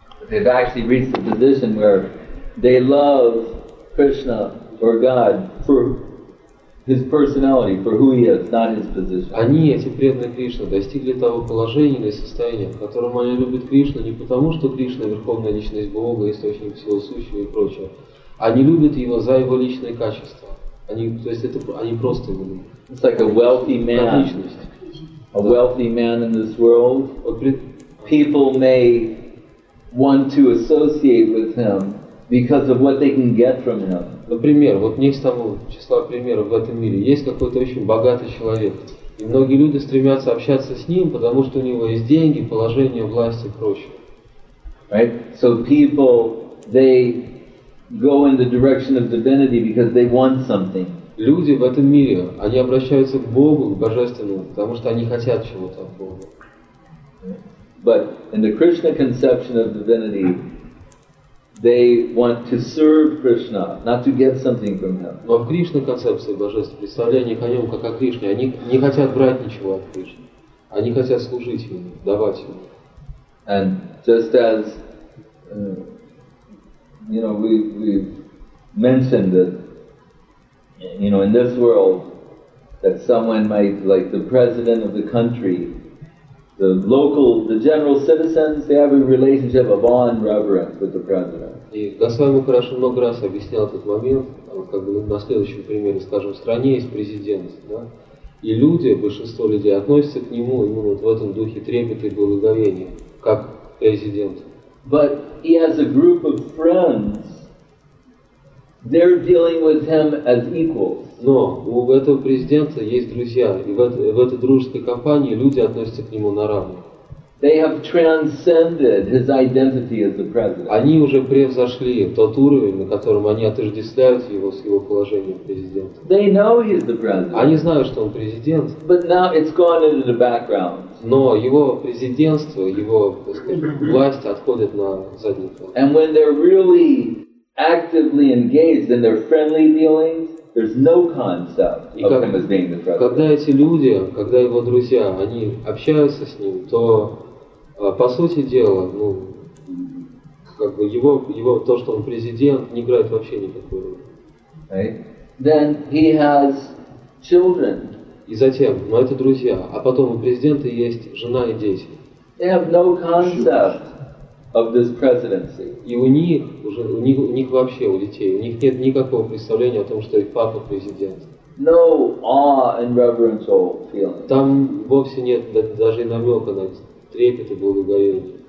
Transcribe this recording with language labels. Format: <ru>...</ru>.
<en>They've actually reached a position where they love Krishna or God for His personality, for who He is, not His position.</en> <ru>Они, эти преданные Кришне, достигли того положения или состояния, в котором они любят Кришну не потому, что Кришна – Верховная Личность Бога, Источник Всего Сущего и прочее. Они любят Его за Его личные качества. Они, то есть это, они просто Его любят.</ru> <en>It's like a wealthy man. A wealthy man in this world. People may want to associate with him because of what they can get from him.</en> <ru>Например, вот не из того числа примеров в этом мире. Есть какой-то очень богатый человек. И многие люди стремятся общаться с ним, потому что у него есть деньги, положение, власть и прочее.</ru> <en>Right? So people, they go in the direction of divinity because they want something.</en> <ru>Люди в этом мире, они обращаются к Богу, к Божественному, потому что они хотят чего-то от Бога.</ru> <en>But in the Krishna conception of divinity, they want to serve Krishna, not to get something from him.</en> <ru>Но в Кришна концепции божественного представления о нем как о Кришне, они не хотят брать ничего от Кришны. Они хотят служить ему, давать ему.</ru> <en>And just as you know, we mentioned that you know, in this world, that someone might, like the president of the country, the local, the general citizens, they have a relationship, a bond, reverence with the president.</en> <ru>И Госвами хорошо много раз объяснял этот момент, как бы на следующем примере, скажем, в стране есть президент, да, и люди, большинство людей относятся к нему, ему вот в этом духе трепет и благоговение, как президент.</ru> <en>But he has a group of friends. They're dealing with him as equals.</en> <ru>Но у этого президента есть друзья, и в этой дружеской компании люди относятся к нему на равных.</ru> <en>They have transcended his identity as the president.</en> <ru>Они уже превзошли тот уровень, на котором они отождествляют его с его положением президента.</ru> <en>They know he's the president.</en> <ru>Они знают, что он президент.</ru> <en>But now it's gone into the background.</en> <ru>Но его президентство, его, так сказать, власть отходит на задний план.</ru> <en>And when they're really actively engaged in their friendly dealings, there's no concept of him as being the president.</en> <ru>Когда эти люди, когда его друзья, они общаются с ним, то по сути дела, ну, как бы его то, что он президент, не играет вообще никакой роли.</ru> <en>Then he has children.</en> <ru>И затем, ну, это друзья, а потом у президента есть жена и дети.</ru> <en>They have no concept of this presidency.</en> <ru>И у них уже у них вообще у детей, у них нет никакого представления о том, что их папа президент.</ru> <en>No awe and reverential feeling.</en> <ru>Там вовсе нет даже намека на трепет и благоговение.</ru>